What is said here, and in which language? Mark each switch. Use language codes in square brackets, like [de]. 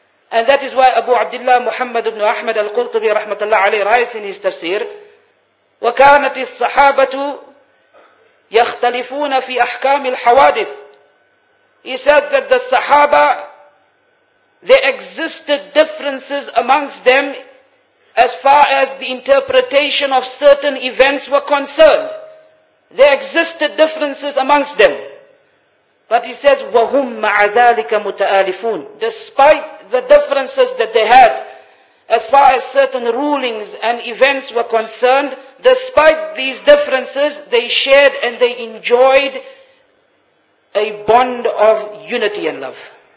[en] And that is why Abu Abdullah Muhammad ibn Ahmad al-Qurtubi rahmatullah alayhi writes in his tafsir, [ar] وَكَانَتِ الصَّحَابَةُ يَخْتَلِفُونَ فِي أَحْكَامِ الْحَوَادِثِ. [en] He said that the Sahaba, there existed differences amongst them as far as the interpretation of certain events were concerned. There existed differences amongst them. But he says, [ar] وَهُمْ مَعَ ذَلِكَ مُتَآلِفُونَ. [en] Despite the differences that they had, as far as certain rulings and events were concerned, despite these differences, they shared and they enjoyed a bond of unity and love.